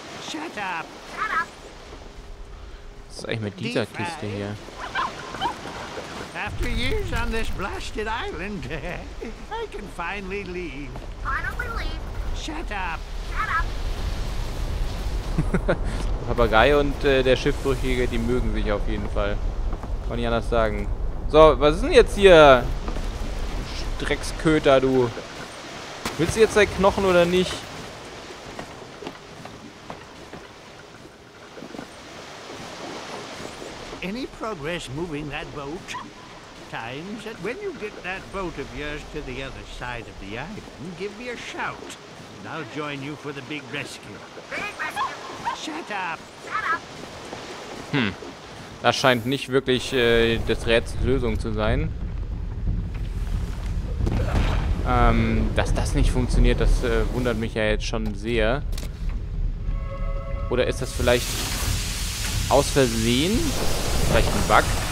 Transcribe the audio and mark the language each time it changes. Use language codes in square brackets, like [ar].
[en] Shut up. [de] Was ist eigentlich mit dieser Kiste hier? [en] After years on this blasted island, I can finally leave. Shut up. [de] Papagei und der Schiffbrüchige, die mögen sich auf jeden Fall. Kann ich anders sagen. So, was ist denn jetzt hier? Drecksköter, du. Willst du jetzt deinen Knochen oder nicht? [en] Any progress moving that boat? Time said when you get that boat of yours to the other side of the island, give me a shout. And I'll join you for the big rescue. Shut up. Hm. [de] Das scheint nicht wirklich das Rätsel Lösung zu sein. Dass das nicht funktioniert, das wundert mich ja jetzt schon sehr. Oder ist das vielleicht aus Versehen? Vielleicht ein Bug?